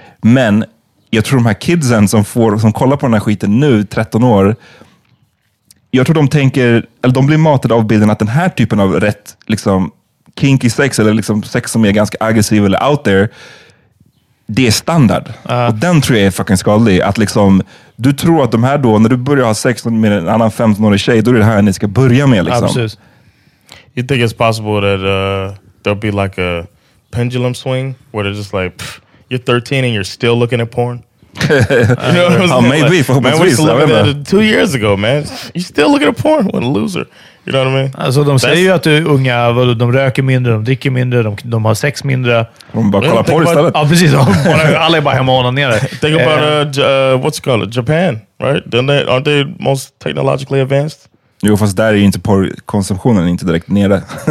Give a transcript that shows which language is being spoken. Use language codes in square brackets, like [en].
[sv] Men jag tror de här kidsen som kollar på den här skiten nu, 13 år, jag tror de tänker, eller de blir matade av bilden att den här typen av rätt liksom kinky sex, eller liksom sex som är ganska aggressiv eller [en] out there, [sv] det är standard. Och den tror jag är fucking skadlig. Att liksom, du tror att de här då, när du börjar ha sex med en annan 15-årig tjej, då är det här ni ska börja med liksom. Absolut. [en] You think it's possible that there'll be like a pendulum swing where they're just like, you're 13 and you're still looking at porn? You know what I'm saying? Maybe, for man, please, I remember. 2 years ago, man. You're still looking at porn. What a loser. You know what I mean? [sv] Alltså, de säger ju att du är unga, vad, de röker mindre, de dricker mindre, de har sex mindre. De bara kollar porn istället. Ja, precis. Alla är bara hemma och ner. [en] Think about, what's it called? Japan, right? Aren't they most technologically advanced? [sv] Jo, fast där är ju inte porrkonsumtionen inte direkt nere.